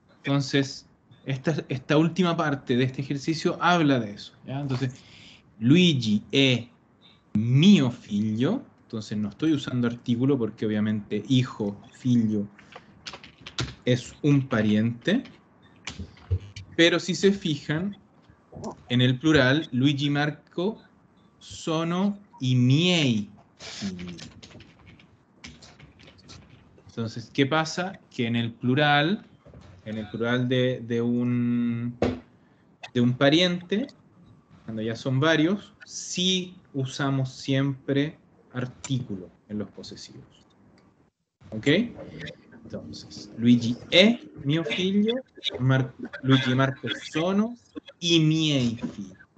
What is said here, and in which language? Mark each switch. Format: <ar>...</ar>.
<es>Entonces, esta última parte de este ejercicio habla de eso, ¿ya? Entonces,</es> <it>Luigi es mio figlio.</it> <es>Entonces no estoy usando artículo porque obviamente hijo, filio es un pariente. Pero si se fijan en el plural, Luigi, Marco,</es> <it>sono i miei figli.</it> <es>Entonces, ¿qué pasa? Que en el plural de un pariente, cuando ya son varios, sí usamos siempre artículo en los posesivos. ¿Ok? Entonces,</es> <it>Luigi è mio figlio, Luigi Marco sono i miei figli.</it>